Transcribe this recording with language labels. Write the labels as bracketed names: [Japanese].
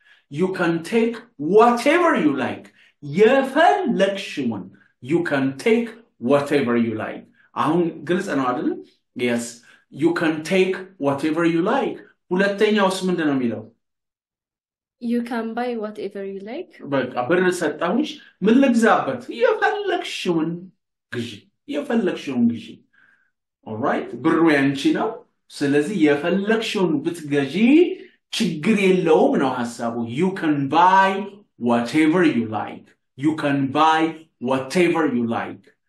[English] You can take whatever you like. [Amharic] የፈለግሽውን. [English] You can take whatever you like. [Amharic] አሁን ግልጽ ነው አይደል? [English] Yes, you can take whatever you like. [Amharic] ሁለተኛውስ ምንድን ነው የሚለው? [English] You can buy whatever you like. [Amharic] በቃ ብር ሰጣሁሽ ምን ልግዛበት? የፈለግሽውን ግዢ። የፈለግሽውን ግዢ። [English] All right? [Amharic] ብሩ ያንቺ ነው። ስለዚህ የፈለግሽውን ብትገዢ ችግር የለውም ነው ሐሳቡ። [English] You can buy whatever you like. You can buy whatever you like.